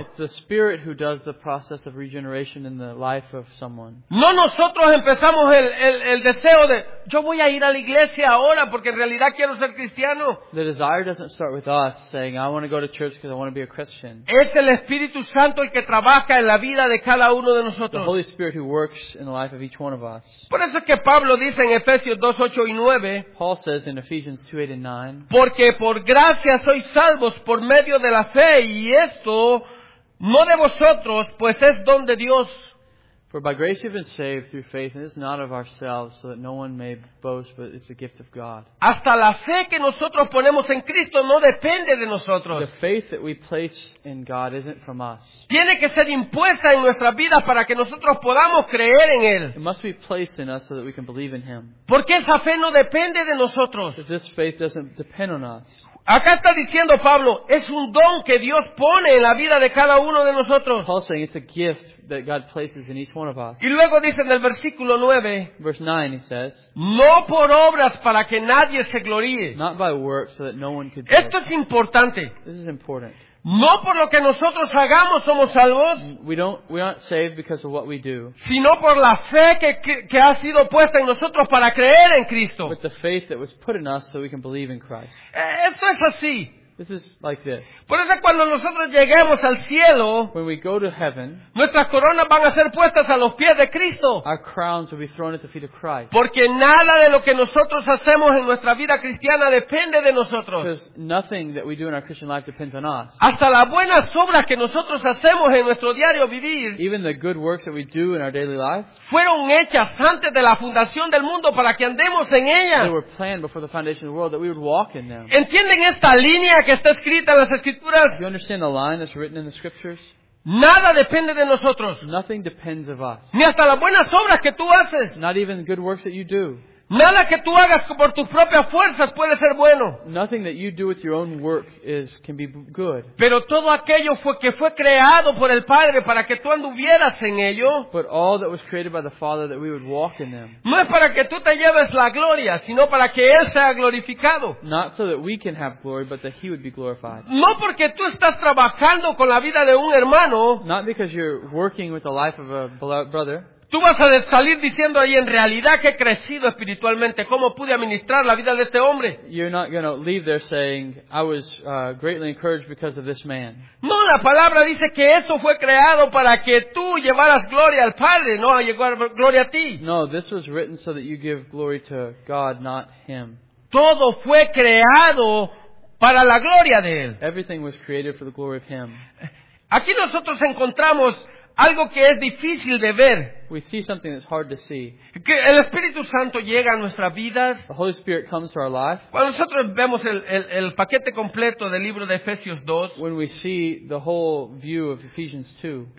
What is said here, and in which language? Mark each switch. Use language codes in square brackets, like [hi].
[en] It's the Spirit who does the process of regeneration in the life of someone. [es] No nosotros empezamos el deseo de yo voy a ir a la iglesia ahora porque en realidad quiero ser cristiano. [en] The desire doesn't start with us saying I want to go to church because I want to be a Christian. [es] Es el Espíritu Santo el que trabaja en la vida de cada uno de nosotros. [en] The Holy Spirit who works in the life of each one of us. [es] Por eso es que Pablo dice en Efesios 2:8 y 9. [en] Paul says in Ephesians 2:8 and 9. [es] Porque por gracia sois salvos por medio de la fe, y esto no de vosotros, pues es don de Dios. [en] For by grace you've been saved through faith, and it's not of ourselves, so that no one may boast, but it's a gift of God. [es] Hasta la fe que nosotros ponemos en Cristo no depende de nosotros. [en] The faith that we place in God isn't from us. [es] Tiene que ser impuesta en nuestra vida para que nosotros podamos creer en él. [en] It must be placed in us so that we can believe in him. [es] Porque esa fe no depende de nosotros. [en] This faith doesn't depend on us. [es] Acá está diciendo Pablo, es un don que Dios pone en la vida de cada uno de nosotros. [en] Paul saying it's a gift that God places in each one of us. [es] Y luego dice en el versículo 9, [en] verse 9 he says, [es] no por obras para que nadie se gloríe. [en] Not by works so that no one could. [es] Esto es importante. [en] This is important. [es] No por lo que nosotros hagamos somos salvos. [en] We aren't saved because of what we do. [es] Sino por la fe que ha sido puesta en nosotros para creer en Cristo. [en] But the faith that was put in us so we can believe in Christ. [es] Esto es así. [en] This is like this. [es] Por eso cuando nosotros lleguemos al cielo, [en] when we go to heaven, [es] nuestras coronas van a ser puestas a los pies de Cristo. [en] Our crowns will be thrown at the feet of Christ. [es] Porque nada de lo que nosotros hacemos en nuestra vida cristiana depende de nosotros. [en] Because nothing that we do in our Christian life depends on us. [es] Hasta las buenas obras que nosotros hacemos en nuestro diario vivir, [en] even the good works that we do in our daily life, [es] fueron hechas antes de la fundación del mundo para que andemos en ellas. [en] They were planned before the foundation of the world that we would walk in them. [es] ¿Entienden esta línea que está escrita en las Escrituras? [en] You understand the line that's written in the Scriptures? [es] Nada depende de nosotros. [en] Nothing depends of us. [es] Ni hasta las buenas obras que tú haces. [en] Not even the good works that you do. [es] Nada que tú hagas por tus propias fuerzas puede ser bueno. [en] Nothing that you do with your own work is can be good. [es] Pero todo aquello que fue creado por el Padre para que tú anduvieras en ello. [en] But all that was created by the Father that we would walk in them. [es] No es para que tú te lleves la gloria, sino para que Él sea glorificado. [en] Not so that we can have glory, but that He would be glorified. [es] No porque tú estás trabajando con la vida de un hermano. [en] Not because you're working with the life of a brother. [es] Tú vas a salir diciendo ahí, en realidad que he crecido espiritualmente, ¿cómo pude administrar la vida de este hombre? [en] You're not going to leave there saying, I was greatly encouraged because of this man. [es] No, la palabra dice que eso fue creado para que tú llevaras gloria al Padre, no a llevar gloria a ti. [en] No, this was written so that you give glory to God, not him. [es] Todo fue creado para la gloria de él. [en] Everything was created for the glory of him. [es] Aquí nosotros encontramos algo que es difícil de ver. [en] We see something that's hard to see. [es] Que el Espíritu Santo llega a nuestras vidas. [en] The Holy Spirit comes to our life. [es] Cuando nosotros vemos el paquete completo del libro de Efesios 2. [en] When we see the whole view of Ephesians 2.